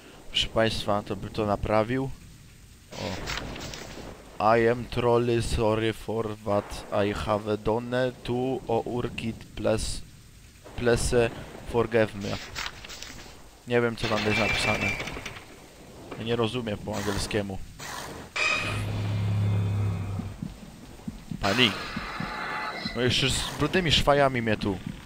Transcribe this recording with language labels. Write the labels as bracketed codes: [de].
[pl] Proszę państwa, to by to naprawił. O. [en] I am trolly, sorry for what I have done to our kid, please forgive me. [pl] Nie wiem, co tam jest napisane. Nie rozumiem po angielskiemu. Pani. No jeszcze z brudnymi szwajami mnie tu.